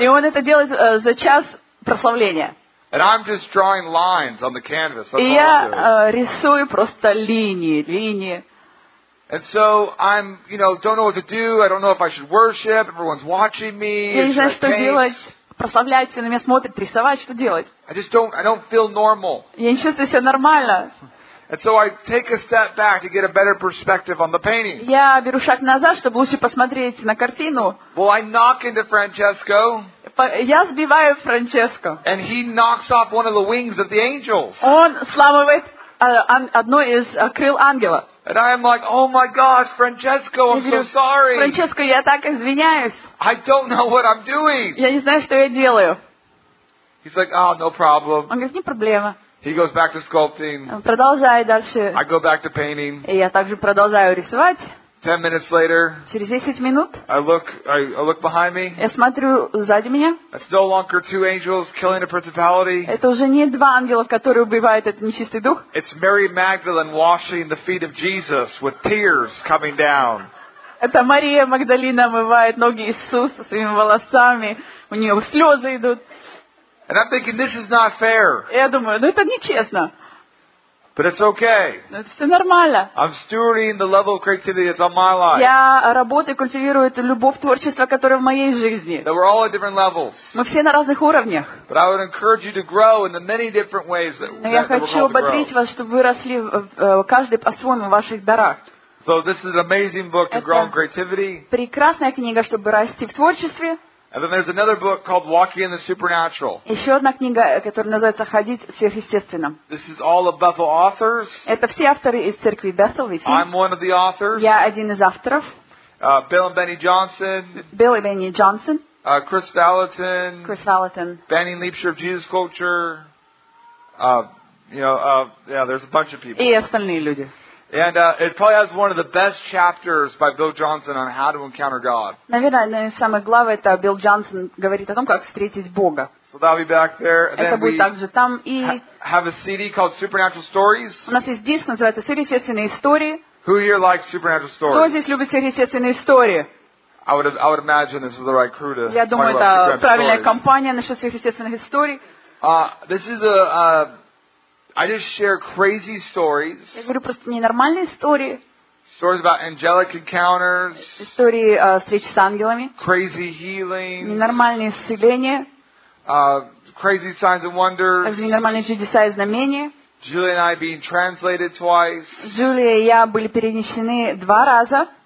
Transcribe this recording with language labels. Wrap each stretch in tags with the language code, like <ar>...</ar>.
<ru>И он это делает за час прославления.</ru> <en>And I'm just drawing lines on the canvas.</en> <ru>И я рисую просто линии.</ru> <en>And so I'm, you know, don't know what to do. I don't know if I should worship. Everyone's watching me.</en> <ru>Я не знаю, что делать. Прославлять, все на меня смотрят, рисовать, что делать?</ru> <en>I don't feel normal.</en> <ru>Я не чувствую себя нормально.</ru> <en>And so I take a step back to get a better perspective on the painting.</en> <ru>Я беру шаг назад, чтобы лучше посмотреть на картину.</ru> <en>Well, I knock into Francesco.</en> <ru>Я сбиваю Франческо.</ru> <en>And he knocks off one of the wings of the angels.</en> <ru>Он сламывает одно из крыл ангела.</ru> <en>And I am like, oh my gosh, Francesco, I'm so sorry.</en> <ru>Франческо, я так извиняюсь.</ru> <en>I don't know what I'm doing.</en> <ru>Я не знаю, что я делаю.</ru> <en>He's like, oh, no problem.</en> <ru>Он говорит, не проблема.</ru> <en>He goes back to sculpting.</en> <ru>Продолжает дальше.</ru> <en>I go back to painting.</en> <ru>И я также продолжаю рисовать.</ru> <en>10 minutes later.</en> <ru>Через 10 минут.</ru> <en>I look behind me.</en> <ru>Я смотрю сзади меня.</ru> <en>It's no longer two angels killing a principality.</en> <ru>Это уже не два ангела, которые убивают этот нечистый дух.</ru> <en>It's Mary Magdalene washing the feet of Jesus with tears coming down.</en> <ru>Это Мария Магдалина омывает ноги Иисуса своими волосами. У нее слезы идут.</ru> <en>And I'm thinking, this is not fair.</en> <ru>Я думаю, ну это нечестно.</ru> <en>But it's okay.</en> <ru>Но это все нормально.</ru> <en>I'm stewarding the level of creativity that's on my life.</en> <ru>Я работаю, культивирую эту любовь творчества, которая в моей жизни.</ru> <en>That we're all at different levels.</en> <ru>Мы все на разных уровнях.</ru> <en>But I would encourage you to grow in the many different ways that we're going to grow.</en> <ru>Я хочу ободрить вас, чтобы вы росли каждый по-своему в ваших дарах.</ru> <en>So this is an amazing book to grow in creativity.</en> <ru>Прекрасная книга, чтобы расти в творчестве.</ru> <en>And then there's another book called Walking in the Supernatural.</en> <ru>Еще одна книга, которая называется «Ходить в сверхъестественном».</ru> <en>This is all of Bethel authors.</en> <ru>Это все авторы из церкви Bethel.</ru> <en>I'm one of the authors.</en> <ru>Я один из авторов.</ru> <en>Bill and Benny Johnson. Bill and Benny Johnson. Chris Vallotton. Chris Vallotton. Benny Leapshire of Jesus Culture. There's a bunch of people.</en> <ru>И остальные люди.</ru> <en>And it probably has one of the best chapters by Bill Johnson on how to encounter God.</en> <ru>Наверное, одна из самых глав это Билл Джонсон говорит о том, как встретить Бога.</ru> <en>So that'll be back there.</en> <ru>Это будет также там и.</ru> <en>Have a CD called Supernatural Stories.</en> <ru>У нас есть диск, называется «Сверхъестественные истории».</ru> <en>Who here likes supernatural stories?</en> <ru>Кто здесь любит сверхъестественные истории?</ru> <en>I would imagine this is the right crew to.</en> <ru>Я думаю, это правильная компания насчет сверхъестественных историй.</ru> <en>This is a. I just share crazy stories.</en> <ru>Я говорю просто ненормальные истории.</ru> <en>Stories about angelic encounters.</en> <ru>Истории встреч с ангелами.</ru> <en>Crazy healings.</en> <ru>Ненормальные исцеления.</ru> <en>Crazy signs and wonders.</en> <ru>Также ненормальные чудеса и знамения.</ru> <en>Julia and I being translated twice.</en> <ru>Julia и я были перенесены два раза.</ru>